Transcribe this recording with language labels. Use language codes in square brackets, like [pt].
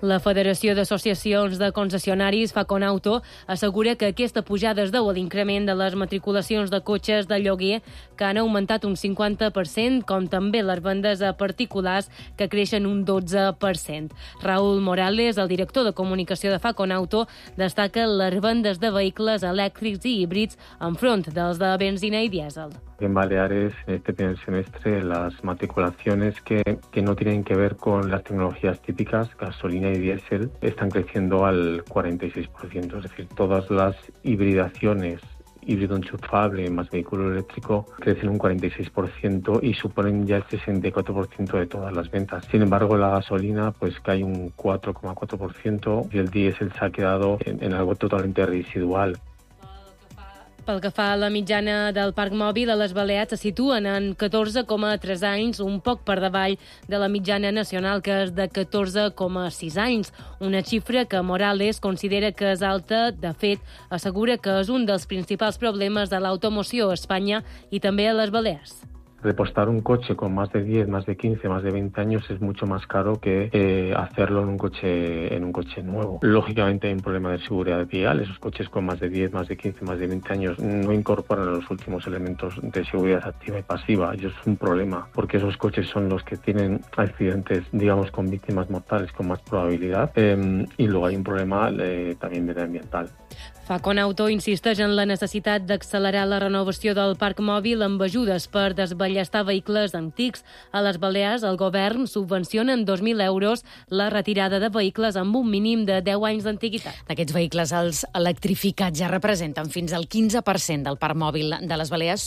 [ca] La Federació d'Associacions de Concessionaris, Faconauto, assegura que aquesta pujada es deu a l'increment de les matriculacions de cotxes de lloguer, que han augmentat un 50%, com també les vendes a particulars que creixen creixen un 12%. Raúl Morales, el director de comunicació de Faconauto, destaca les vendes de vehicles elèctrics i híbrids enfront dels de benzina i dièsel. [es] En Baleares, este primer semestre, las matriculaciones que no tienen que ver con las tecnologías típicas, gasolina y diésel, están creciendo al 46%. Es decir, todas las hibridaciones, híbrido enchufable más vehículo eléctrico, crecen un 46% y suponen ya el 64% de todas las ventas. Sin embargo, la gasolina pues cae un 4,4% y el diésel se ha quedado en algo totalmente residual. [ca] Pel que fa a la mitjana del parc mòbil, a les Balears se situen en 14,3 anys, un poc per davall de la mitjana nacional, que és de 14,6 anys. Una xifra que Morales considera que és alta. De fet, assegura que és un dels principals problemes de l'automoció a Espanya i també a les Balears. [es] Repostar un coche con más de 10, más de 15, más de 20 años es mucho más caro que hacerlo en un coche nuevo. Lógicamente hay un problema de seguridad vial. Esos coches con más de 10, más de 15, más de 20 años no incorporan los últimos elementos de seguridad activa y pasiva. Y eso es un problema, porque esos coches son los que tienen accidentes, digamos, con víctimas mortales con más probabilidad. Y luego hay un problema también medioambiental. [ca] Faconauto insisteix en la necessitat d'accelerar la renovació del parc mòbil amb ajudes per desballestar vehicles antics. A les Balears, el govern subvenciona en 2.000 euros la retirada de vehicles amb un mínim de 10 anys d'antiguitat. D'aquests vehicles, els electrificats ja representen fins al 15% del parc mòbil de les Balears.